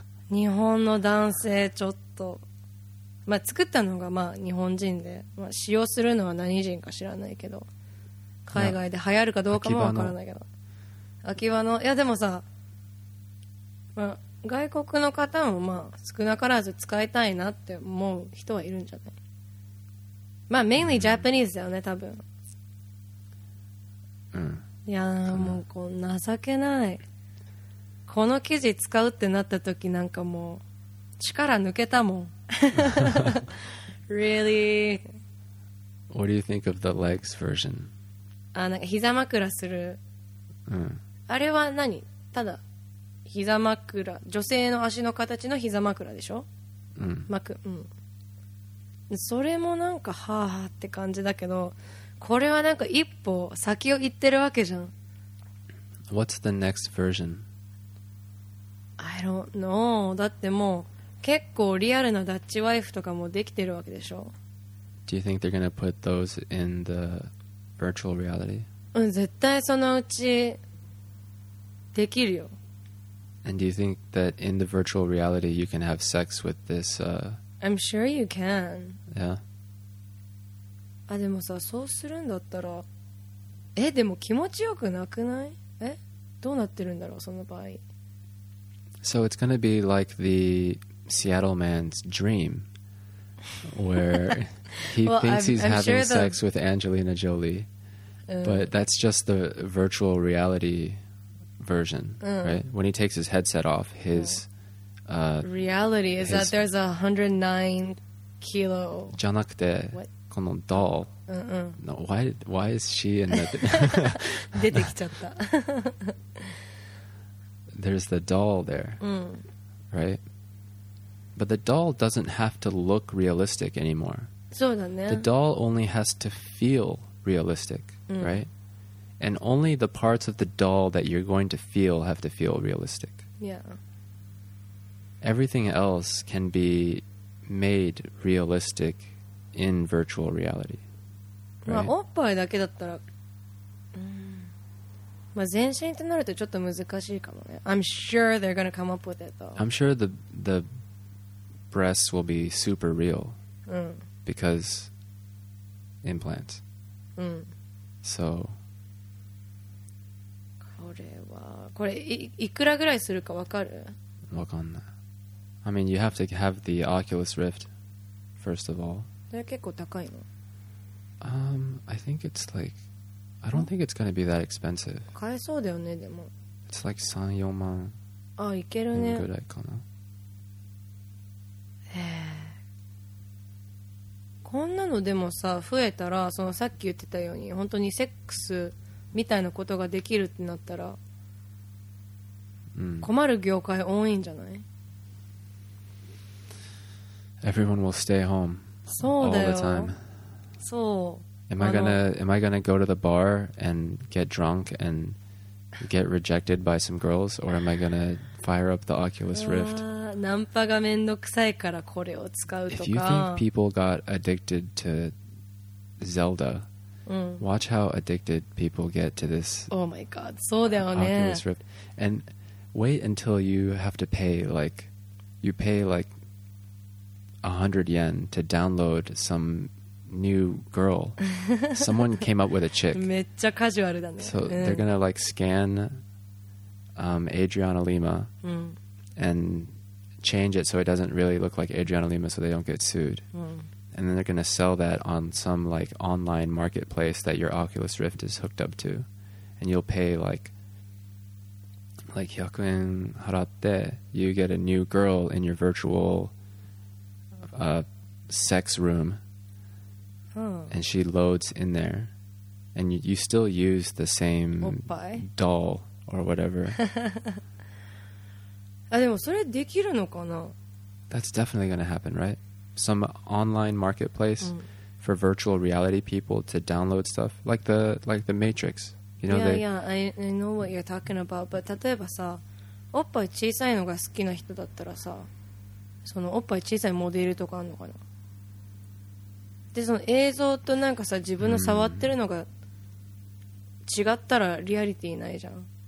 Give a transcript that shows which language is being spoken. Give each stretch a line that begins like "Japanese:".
Japanese: 日本の男性ちょっと。まあ、作ったのがまあ日本人で、まあ、使用するのは何人か知らないけど海外で流行るかどうかも分からないけど秋葉のいやでもさ、まあ、外国の方もまあ少なからず使いたいなって思う人はいるんじゃないまあ
English: mainly Japanese
Japanese: だよね多分、うん、いやもうこう情けないこの記事使うってなった時なんかもう力抜けたもん
English: Really? What do you think of the legs version?
Japanese: あ、なんか膝枕する。うん。あれは何？ただ膝枕、女性の足の形の膝枕でしょ？うん。枕、うん。それもなんかはぁって感じだけど、これはなんか一歩先を行ってるわけじゃん。
English: What's the next version? I don't know.
Japanese: だってもう結構リアルなダッチワイフとかもできてるわけでしょ
English: Do you think they're gonna put those in the virtual reality?
Japanese: うん、絶対そのうちできるよ
English: And do you think that in the virtual reality you can have sex with this I'm sure you can Yeah
Japanese: あ、でもさ、そうするんだったらえ、でも気持ちよくなくない? え、どうなってるんだろう、その場合
English: So it's gonna be like theSeattle man's dream where he well, thinks he's I'm having sure sex with Angelina Jolie but that's just the virtual reality version right when he takes his headset off his reality is his that there's a 109 kilo
Japanese: じゃなくてこの
English: doll no, why is she in the
Japanese: 出てきちゃった
English: there's the doll there right But the doll doesn't have to look realistic anymore.
Japanese: そうだね。
English: The doll only has to feel realistic, right? And only the parts of the doll that you're going to feel have to feel realistic. Yeah. Everything else can be made realistic in virtual reality.
Japanese: まあ、おっぱいだけだったら、まあ、全身となるとちょっと難しいかもね。
English: I'm sure they're going to come up with it, though. I'm sure the breasts will be super real because implants so
Japanese: これはこれ いくらぐらいするかわかる? わかんない
English: I mean you have to have the Oculus Rift first of all
Japanese: それ結構高いの?
English: I think it's like I don't think it's gonna be that expensive
Japanese: 買えそうだよねでも
English: It's like 3-4 万
Japanese: あいけるねぐらいかなこんなのでもさ増えたら、そのさっき言ってたように本当にセックスみたいなことができるってなったら、うん、困る業界多いんじゃない？
English: Everyone will stay home.
Japanese: そうだよ。
English: All the time.
Japanese: そう。
English: Am I gonna go to the bar and get drunk and get rejected by some girls, or am I gonna fire up the Oculus Rift?
Japanese: ナンパがめんどくさいからこれを使うとか。
English: If you think people got addicted to Zelda, watch how addicted people get to this. Oh my god,
Japanese: そうだよね。
English: Oculus Rift. And wait until you have to pay like, you pay like 100 yen to download some new girl. Someone came up with a chick.
Japanese: めっちゃカジュアルだね。
English: So they're gonna like scan Adriana Lima and change it so it doesn't really look like Adriana Lima, so they don't get sued. And then they're gonna sell that on some like online marketplace that your Oculus Rift is hooked up to, and you'll pay like
Japanese: 100円 払って
English: you get a new girl in your virtual sex room. And she loads in there, and you still use the same doll or whatever.
Japanese: でもそれできるのかな?
English: That's definitely going to happen, right? Some online marketplace for virtual reality people to download stuff, like the Matrix. You know, I know what you're talking about.
Japanese: But 例えばさ、おっぱい小さいのが好きな人だったらさ、そのおっぱい小さいモデルとかあるのかな? でその映像となんかさ自分の触ってるのが違ったらリアリティないじゃん。